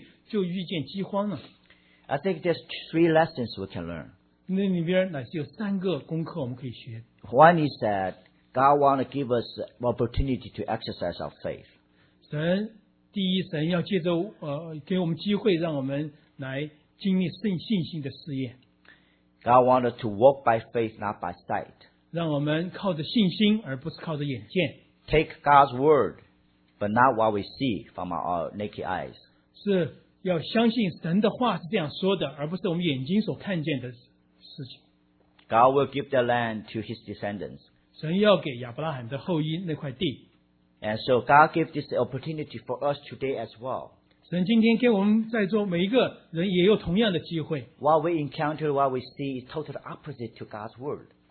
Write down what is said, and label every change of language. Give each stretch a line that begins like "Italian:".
Chinese: 想想看，弟兄姊妹们，如果那块地象征着主神的丰富的话，为什么亚伯拉罕一进去就遇见饥荒呢？
English: I think there's three lessons we can learn.
Chinese: 那里边乃是有三个功课我们可以学。
English: One is that God want to give us opportunity to exercise our faith.
Chinese: 神要借着给我们机会，让我们来经历信心的试验。
English: God wanted to walk by faith, not by sight.
Chinese: 让我们靠着信心，而不是靠着眼见。
English: Take God's word, but not what we see from our naked eyes.
Chinese: 是要相信神的话是这样说的，而不是我们眼睛所看见的事情。
English: God will give the land to His descendants.
Chinese: 神要给亚伯拉罕的后裔那块地。
English: And so God gave this opportunity for us today as well.
Chinese: 神今天给我们在座每一个人也有同样的机会。
English: What we encounter, what we see is totally opposite to God's word.